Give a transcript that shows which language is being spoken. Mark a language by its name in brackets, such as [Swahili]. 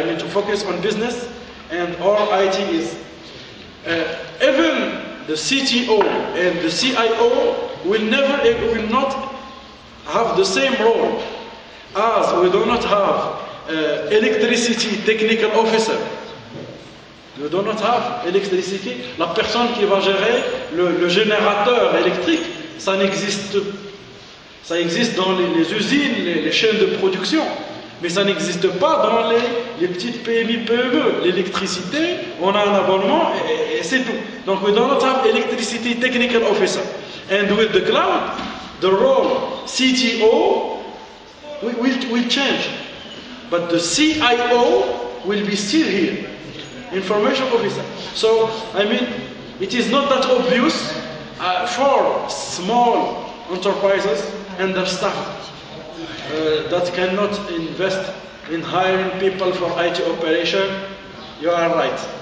[English] I mean, to focus on business, and all IT is even the CTO and the CIO will not have the same role, as we do not have electricity technical officer. We do not have electricity. [French] La personne qui va gérer le générateur électrique, ça n'existe. Ça existe dans les usines, les chaînes de production. Mais ça n'existe pas dans les petites PMI, PME. L'électricité, on a un abonnement et c'est tout. [English] Donc, we do not have electricity technical officer. And with the cloud, the role CTO will change. But the CIO will be still here. Information officer. So, I mean, it is not that obvious for small enterprises and their staff that cannot invest in hiring people for IT operation. You are right.